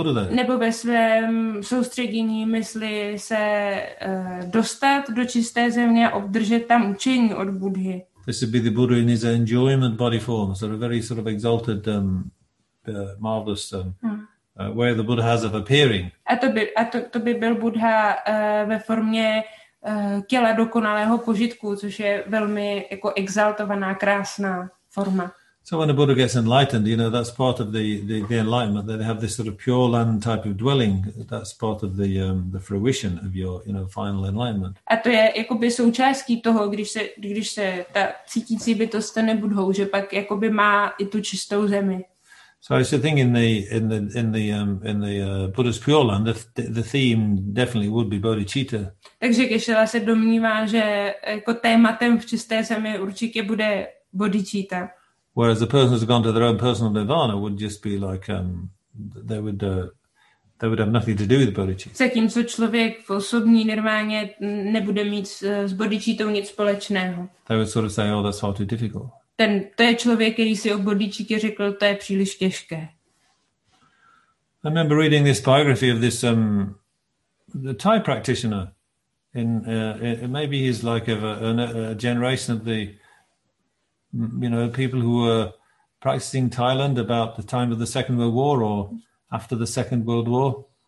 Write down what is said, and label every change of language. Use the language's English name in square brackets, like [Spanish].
[Czech] nebo ve svém soustředění mysli se dostat do čisté země a obdržet tam učení od Buddhy. [English] This would be the Buddha in his enjoyment body form. So a very sort of exalted, marvelous way the Buddha has of appearing. [Czech] A to by byl Buddha ve formě těla dokonalého požitku, což je velmi jako exaltovaná, krásná forma. [English] So when the Buddha gets enlightened, you know, that's part of the enlightenment. They have this sort of pure land type of dwelling. That's part of the fruition of your, you know, final enlightenment. [Czech] A to je jakoby součástí toho, když se ta cítící bytost stane Buddhou, že pak jakoby má i tu čistou zemi. [English] So I should think in the Buddha's Pure Land, the theme definitely would be bodhicitta. [Czech] Takže Kešela se domnívá, že jako tématem v čisté zemi určitě bude bodhicitta. [English] Whereas the person who's gone to their own personal nirvana would just be like they would have nothing to do with bodhicitta. [Czech] Zatímco člověk v osobní nirváně nebude mít s bodhicittou nic společného. [English] They would sort of say, oh, that's far too difficult. [Czech] To je člověk, který si o bodhicittě řekl, to je příliš těžké. [English] I remember reading this biography of this the Thai practitioner maybe he's like of a generation of the, you know, people who were practicing Thailand about the time of the Second World War or after the Second World War.